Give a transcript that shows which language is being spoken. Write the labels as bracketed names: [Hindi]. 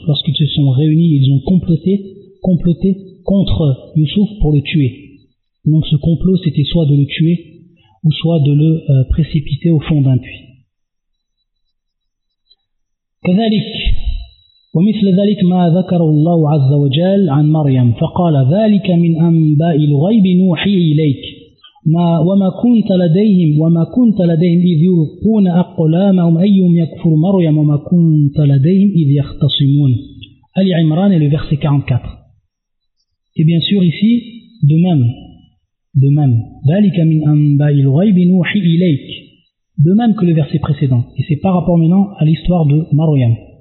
[French] Lorsqu'ils se sont réunis, ils ont comploté contre Youssouf pour le tuer. Donc ce complot, c'était soit de le tuer, ou soit de le précipiter au fond d'un puits. [Arabic] كذلك ومثل ذلك ما ذكر الله عز وجل عن مريم فقال ذلك من أنباء الغيب نوحي إليك. وما كنت لديهم وما كنت لديهم إذ يلقون أقلامهم أيهم يكفر مريم وما كنت لديهم إذ يختصمون. [French] Ali Imran est le verset 44. Et bien sûr ici, de même, [Arabic] ذلك من أنباء الغيب نوحي إليك. [French] De même que le verset précédent. Et c'est par rapport maintenant à l'histoire de Mariam.